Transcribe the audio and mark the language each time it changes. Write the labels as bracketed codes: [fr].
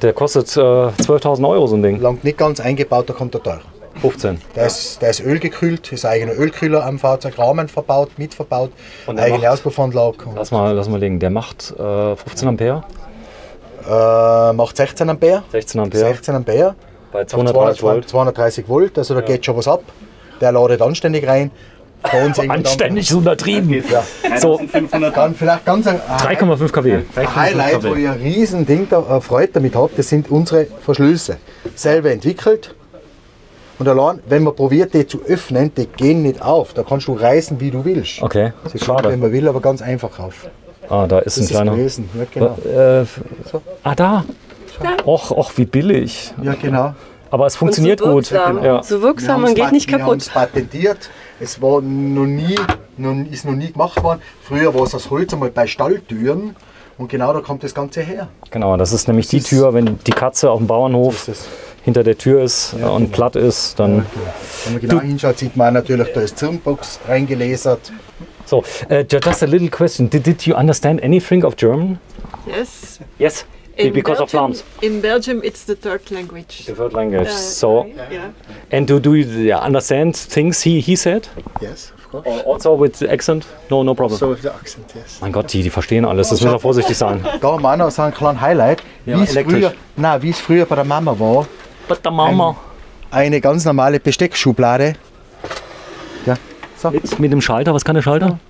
[de] Der kostet 12.000 Euro, so ein Ding. Langt nicht ganz eingebaut, da kommt er teuer. 15. Der ist ölgekühlt, ist eigener Ölkühler am Fahrzeug, Rahmen verbaut, mitverbaut, und eigene Auspuffanlage. Lass mal legen, der macht 15 Ampere? Macht 16 Ampere. 16 Ampere. 16 Ampere. Bei 230 Volt. 230 Volt, also da geht schon was ab. Der ladet anständig rein. Anständig ist untertrieben. Ja. So, dann vielleicht ganz 3,5 kW. Ein Highlight, wo ihr ein Riesending da erfreut damit habt, das sind unsere Verschlüsse. Selber entwickelt. Und allein, wenn man probiert, die zu öffnen, die gehen nicht auf. Da kannst du reißen, wie du willst. Okay. Sie schauen, wenn man will, aber ganz einfach auf. Ah, da ist das ist kleiner. Gewesen. Ja, genau. Da. Och, wie billig. Ja, genau. Aber es funktioniert so gut. Genau. Ja. So wirksam, man geht nicht kaputt. Wir haben es patentiert. Es war noch nie gemacht worden. Früher war es aus Holz einmal bei Stalltüren. Und genau da kommt das Ganze her. Genau, das ist nämlich die Tür, wenn die Katze auf dem Bauernhof hinter der Tür ist und platt ist, dann... Ja, okay. Wenn man genau hinschaut, sieht man natürlich, da ist Zirnbox reingelasert. [en] So, just a little question. Did you understand anything of German? Yes. Yes, because Belgium, of Flams. In Belgium, it's the third language. The third language, so... Yeah. And do you understand things he said? Yes. Also with the accent? No problem. So with the accent, yes. [de] Mein Gott, die verstehen alles, das muss man vorsichtig sein. Da haben wir noch so einen kleinen Highlight. Wie es früher bei der Mama war. Bei der Mama. Eine ganz normale Besteckschublade. Ja, so. Mit dem Schalter, was kann der Schalter?